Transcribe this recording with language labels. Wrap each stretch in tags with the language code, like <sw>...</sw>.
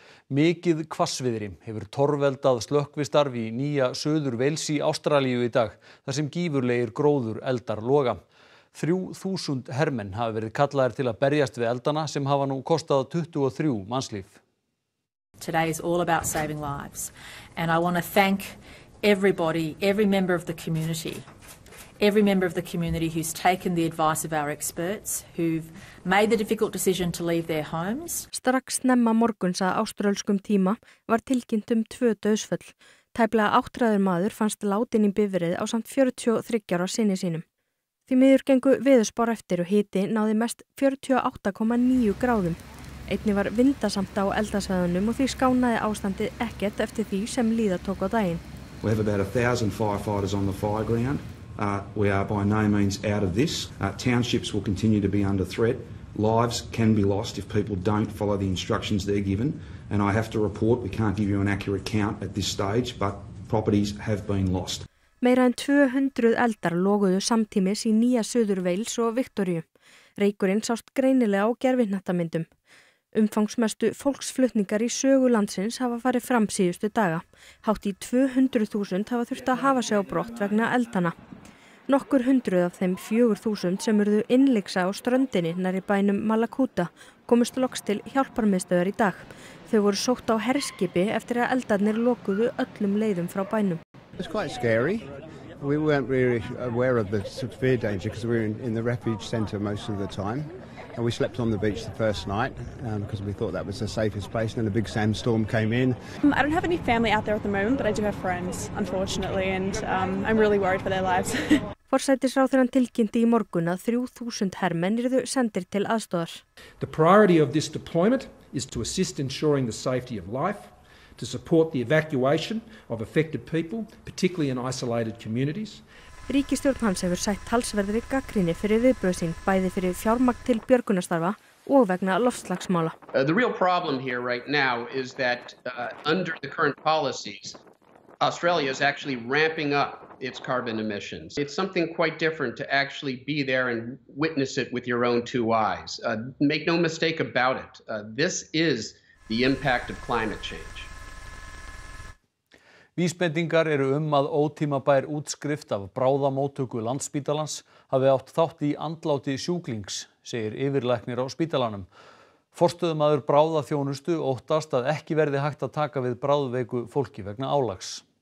<is>Mikið hvassviðri hefur torveldað slökkvistarf í nýja suður Wales í Ástralíu í dag, þar sem gífurlegir gróður eldar loga. 3000 hermenn hafa verið kallaðir til að berjast við eldana sem hafa nú kostað 23 mannslíf.</is> <en>Today is all about saving lives and I want to thank everybody, every member of the community. Every member of the community who's taken the advice of our experts, who've made the difficult decision to leave their homes.</en> <is>Strax snemma morguns að áströlskum tíma var tilkynnt 2 dauðsföll. Tæplega 8 maður fannst látinn í bifreið á samt 43 ára syni sínum. Því miður gengu veðurspár eftir og hiti náði mest 48,9 gráðum. Einnig var vindasamt á eldasvæðunum og því skánaði ástandið ekkert eftir því sem líða tók á daginn.</is> <en>We have about 1,000 firefighters on the fire ground. We are by no means out of this. Townships will continue to be under threat. Lives can be lost if people don't follow the instructions they're given. And I have to report, we can't give you an accurate count at this stage, but properties have been lost.</en> <is>Meira en 200 eldar loguðu samtímis í Nýja Suður Wales og Victoria. Reykurinn sást greinilega á gervihnattamyndum. Umfangsmestu fólksflutningar í sögu landsins hafa farið fram síðustu daga. Hátt í 200.000 hafa þurft að hafa sig á brott vegna eldana. Nokkur hundruð af þeim 4.000 sem urðu innlyksa á ströndinni nærri bænum Malakuta komust loks til hjálparmiðstöðar í dag. Þau voru sótt á herskipi eftir að eldarnir lokuðu öllum leiðum frá bænum.</is> <en>It's quite scary. We weren't really aware of the severe danger because we were in the refuge center most of the time. And we slept on the beach the first night because we thought that was the safest place. And then a big sandstorm came in. I don't have any family out there at the moment, but I do have friends, unfortunately. And I'm really worried for their lives.</en> <is>Forsætisráðherrann tilkynnti í morgun að 3,000 hermenn yrðu sendir til aðstoðar.</is> <en>The priority of this deployment is to assist ensuring the safety of life, to support the evacuation of affected people, particularly in isolated communities.</en> <is>Ríkisstjórn hans hefur sætt talsverðri gagnrýni fyrir viðbrögð sín, bæði fyrir fjármagn til björgunarstarfa og vegna loftslagsmála.</is> <en>The real problem here right now is that under the current policies, Australia is actually ramping up its carbon emissions. It's something quite different to actually be there and witness it with your own two eyes. Make no mistake about it. This is the impact of climate change.</en> <is>Vísbendingar eru að ótímabær útskrift af bráðamóttöku Landspítalans hafi átt þátt í andláti sjúklings, segir yfirlæknir á spítalanum. Forstöðumaður bráðaþjónustu óttast að ekki verði hægt að taka við bráðveiku fólki vegna álags.</is>